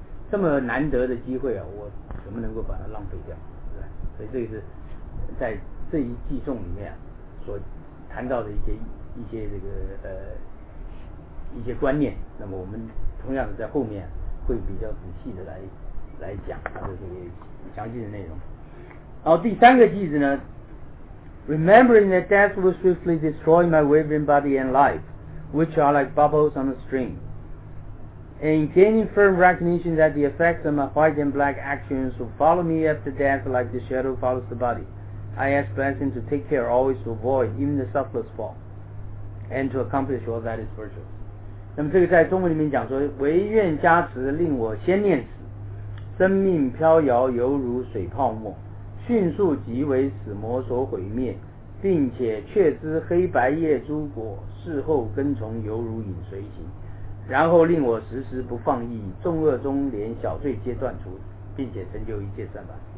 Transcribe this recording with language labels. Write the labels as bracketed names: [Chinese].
[Chinese] 这么难得的机会啊，我怎么能够把它浪费掉，对吧？所以这个是在这一偈颂里面、啊、所谈到的一些这个一些观念。那么我们同样的在后面、啊、会比较仔细的来讲它的这个详细的内容。然后第三个句子呢， [English] Remembering that death will swiftly destroy my wavering body and life, which are like bubbles on a stream. In gaining firm recognition that the effects of my white and black actions will follow me after death like the shadow follows the body, I ask blessing to take care always to avoid even the subtlest fall and to accomplish all that is virtuous. [Chinese] 那么这个在中文里面讲说，唯愿加持令我先念死，生命飘摇犹如水泡沫，迅速即为死魔所毁灭，并且确知黑白业诸果，事后跟从犹如影随形，然后令我时时不放逸，众恶中连小罪皆断除，并且成就一切善法。